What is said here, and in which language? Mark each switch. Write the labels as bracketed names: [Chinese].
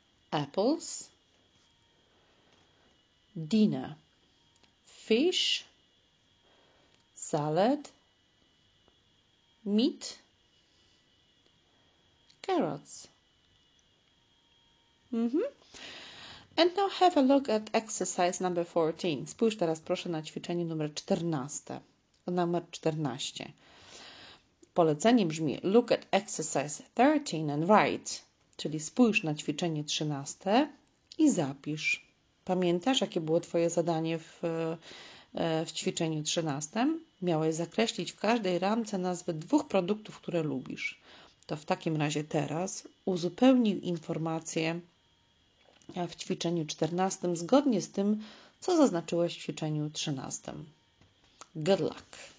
[English] apples, dinner, fish, salad, meat, carrots. And now have a look at exercise number 14. [Polish] Spójrz teraz proszę na ćwiczenie numer 14. Numer 14. Polecenie brzmi [English] look at exercise 13 and write. [Polish] Czyli spójrz na ćwiczenie 13 i zapisz. Pamiętasz, jakie było twoje zadanie w ćwiczeniu 13? Miałeś zakreślić w każdej ramce nazwy dwóch produktów, które lubisz. To w takim razie teraz uzupełnij informacje w ćwiczeniu 14 zgodnie z tym, co zaznaczyłeś w ćwiczeniu 13. [English] Good luck!